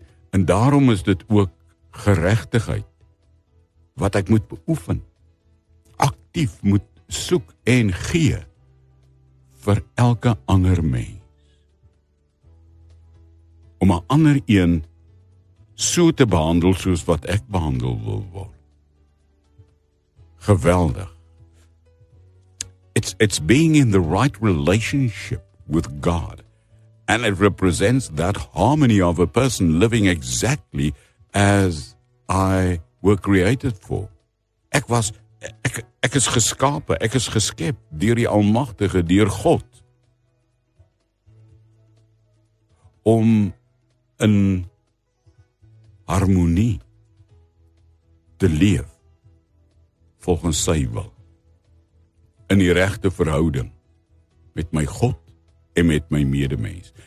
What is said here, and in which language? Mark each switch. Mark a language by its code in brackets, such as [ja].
[af] En daarom is dit ook geregtigheid wat ek moet beoefen, aktief moet soek en gee vir elke ander mens. Om 'n ander een so te behandel soos wat ek behandel wil word. Geweldig. [en] It's being in the right relationship with God, and it represents that harmony of a person living exactly as I were created for. [af] Ek is geskape, ek is geskep deur die Almagtige, deur God, om in harmonie te leef volgens sy wil, in die regte verhouding met my God en met my medemens.